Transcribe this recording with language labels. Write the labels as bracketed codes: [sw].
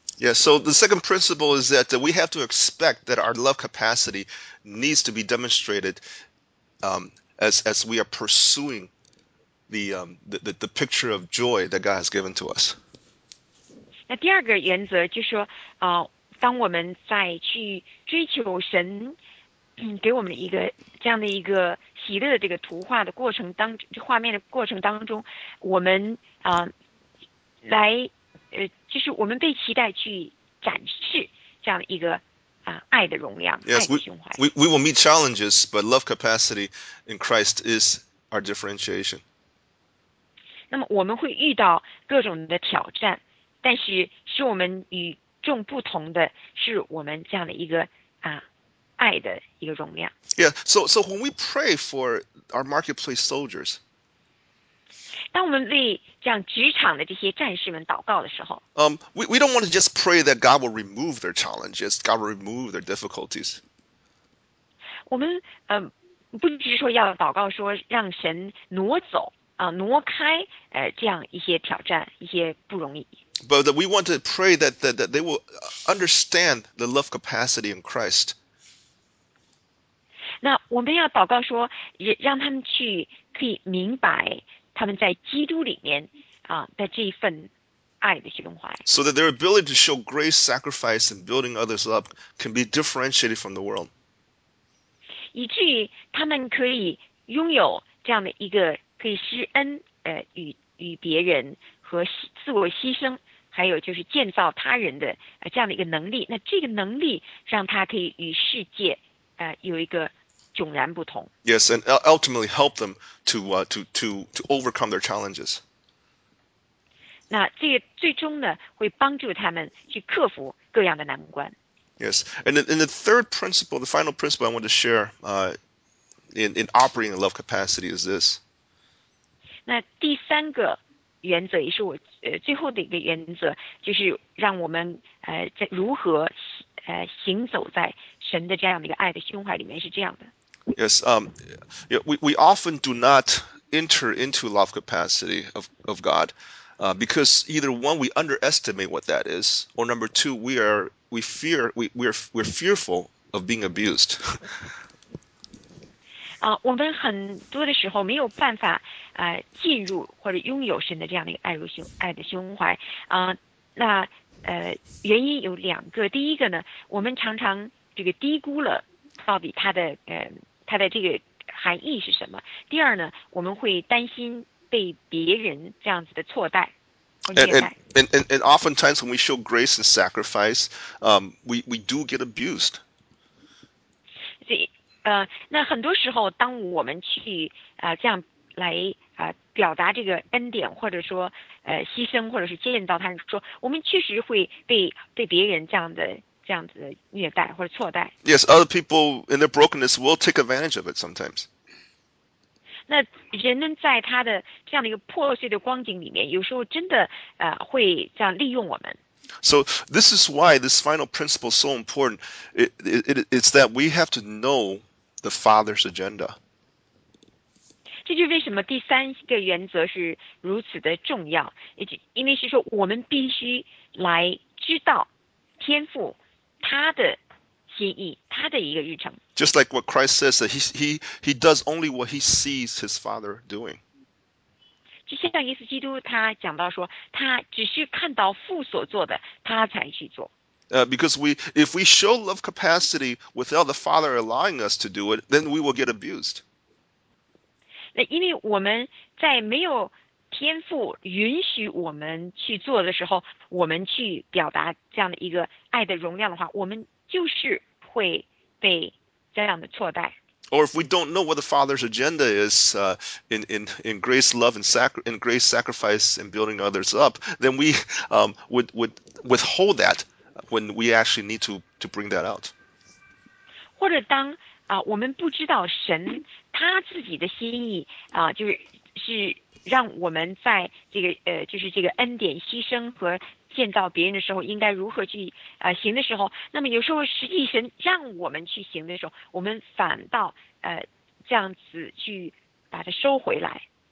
[en] Yeah, so the second principle is that we have to expect that our love capacity needs to be demonstrated as we are pursuing the picture of joy that God has given to us. [zh] 那第二个原则就是说，当我们在去追求神给我们一个这样的一个喜乐的这个图画的过程当画面的过程当中，我们来。就是我们被期待去展示这样一个爱的容量， [en] yes, [zh] 爱的胸怀。 [en] We will meet challenges, but love capacity in Christ is our differentiation. [zh] 那么我们会遇到各种的挑战，但是使我们与众不同的是我们这样的一个爱的一个容量。 [en] Yeah, so when we pray for our marketplace soldiers. [zh] 当我们为这样职场的这些战士们祷告的时候， [en] we don't want to just pray that God will remove their challenges, God will remove their difficulties. [zh] 我们不只是说要祷告说让神挪走挪开这样一些挑战，一些不容易。 [en] But we want to pray that they will understand the love capacity in Christ. [zh] 那我们要祷告说，让他们去可以明白。他们在基督里面的这一份爱的胸怀。 [en] So that their ability to show grace, sacrifice, and building others up can be differentiated from the world. [zh] 以至于他们可以拥有这样的一个可以施恩与别人和自我牺牲，还有就是建造他人的这样的一个能力。那这个能力让他可以与世界有一个。迥然不同。 [en] Yes, and ultimately help them to overcome their challenges. [zh] 那这个最终呢，会帮助他们去克服各样的难关。 [en] Yes, and in the third principle, the final principle I want to share in operating in love capacity is this. [zh] 那第三个原则也是我最后的一个原则，就是让我们在如何行走在神的这样的一个爱的胸怀里面是这样的。 [en] Yes, we often do not enter into love capacity of God, because either one, we underestimate what that is, or number two, we're fearful of being abused. [zh] 我们很多的时候没有办法进入或者拥有神的这样的一个爱的胸怀。原因有两个。第一个呢，我们常常这个低估了到底他的它的这个含义是什么？第二呢，我们会担心被别人这样子的错待或虐待。 [en] And oftentimes when we show grace and sacrifice, we do get abused. [zh] 所以那很多时候，当我们去这样来表达这个恩典，或者说牺牲，或者是接引到他人，说我们确实会被别人这样子虐待或者错待。 [en] Yes, other people in their brokenness will take advantage of it sometimes. [zh] 那人呢，在他的这样的一个破碎的光景里面，有时候真的会这样利用我们。 [en] So this is why this final principle is so important. It's that we have to know the Father's agenda. [zh] 这就是为什么第三个原则是如此的重要，因为是说我们必须来知道天父他的心意，他的一个日程。 [en] Just like what Christ says, that he does only what he sees his Father doing. [zh] 就像耶稣基督他讲到说，他只是看到父所做的，他才去做。 [en] Because if we show love capacity without the Father allowing us to do it, then we will get abused. [zh] 那因为我们在没有天父允许我们去做的时候，我们去表达这样的一个爱的容量的话，我们就是会被这样的错待。 [en] Or if we don't know what the Father's agenda is in grace, love, and in grace, sacrifice, and building others up, then we would withhold that when we actually need to bring that out. [zh] 或者当我们不知道神他自己的心意就是让我们在这个就是这个恩典牺牲和建造别人的时候应该如何去行的时候，那么有时候实际神让我们去行的时候，我们反倒这样子去把它收回来。